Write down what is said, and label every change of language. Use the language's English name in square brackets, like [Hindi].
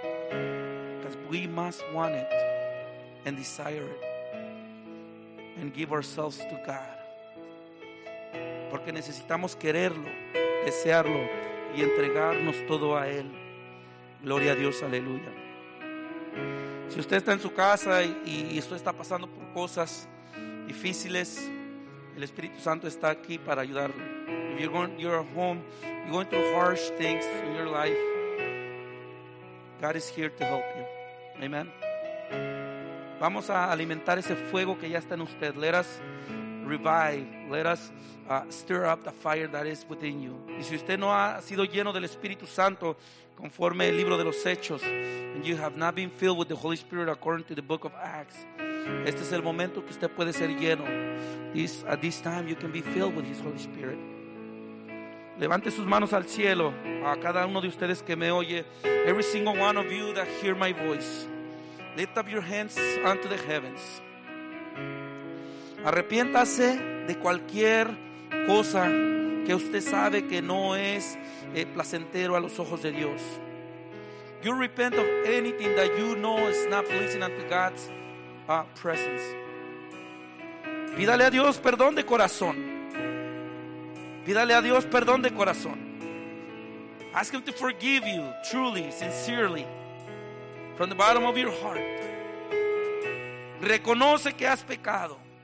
[English] Because we must want it and desire it and give ourselves to God. [Spanish] Porque necesitamos quererlo, desearlo y entregarnos todo a Él. Gloria a Dios, aleluya. Si usted está en su casa y usted está pasando por cosas difíciles, el Espíritu Santo está aquí para ayudarlo. [English] If you're at home, you're going through harsh things in your life, God is here to help you. Amen. [Spanish] Vamos a alimentar ese fuego que ya está en usted. [English] Let us revive. Let us stir up the fire that is within you. [Spanish] Y si usted no ha sido lleno del Espíritu Santo conforme el libro de los Hechos, [English] and you have not been filled with the Holy Spirit according to the book of Acts, [Spanish] este es el momento que usted puede ser lleno. [English] At this time you can be filled with His Holy Spirit. [Spanish] Levante sus manos al cielo, a cada uno de ustedes que me oye. [English] Every single one of you that hear my voice, lift up your hands unto the heavens. [Spanish] Arrepiéntase de cualquier cosa que usted sabe que no es placentero a los ojos de Dios. [English] You repent of anything that you know is not pleasing unto God's presence. [Spanish] Pídale a Dios perdón de corazón. Pídale a Dios perdón de corazón. [English] Ask Him to forgive you truly, sincerely, from the bottom of your heart. [Spanish] Reconoce que has pecado.